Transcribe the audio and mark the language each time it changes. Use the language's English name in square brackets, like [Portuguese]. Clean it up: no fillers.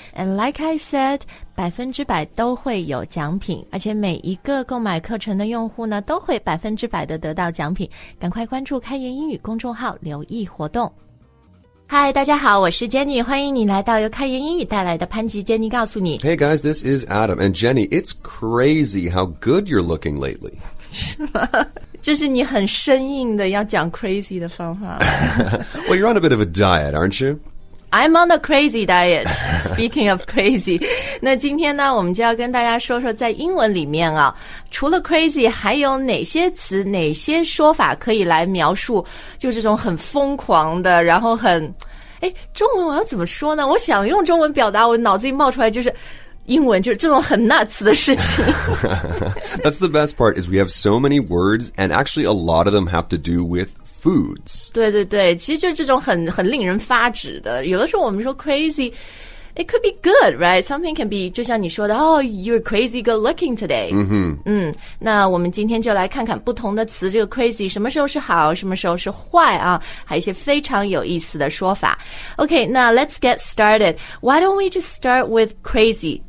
[English] And like I said, [Chinese] 100%都会有奖品，而且每一个购买课程的用户呢都会100%的得到奖品。赶快关注开言英语公众号留意活动。嗨，大家好，我是 Jenny， 欢迎你来到由开言英语带来的潘吉 Jenny 告诉你。 [English] Hey guys, this is Adam. And Jenny, it's crazy how good you're looking lately. [Chinese] 是吗？就是你很生硬的要讲 crazy 的方法。 [English] Well, you're on a bit of a diet, aren't you? I'm on a crazy diet. Speaking of crazy, [Chinese] 那今天呢我们就要跟大家说说在英文里面啊，除了 crazy 还有哪些词哪些说法可以来描述就这种很疯狂的，然后很中文我要怎么说呢，我想用中文表达，我脑子里冒出来就是英文，就是这种很 nuts 的事情。 [English] That's the best part is we have so many words and actually a lot of them have to do withFoods. [Chinese] 对对对，其实就是这种很令人发指的。有的时候我们说 [English] crazy, it could be good, right? Something can be, [Chinese] 就像你说的 [English] oh, you're crazy good looking today. [Chinese] 嗯哼。嗯，那我们今天就来看看不同的词，这个 crazy 什么时候是好，什么时候是坏啊，还有一些非常有意思的说法。 [English] Okay, now let's get started. Why don't we just start with crazy?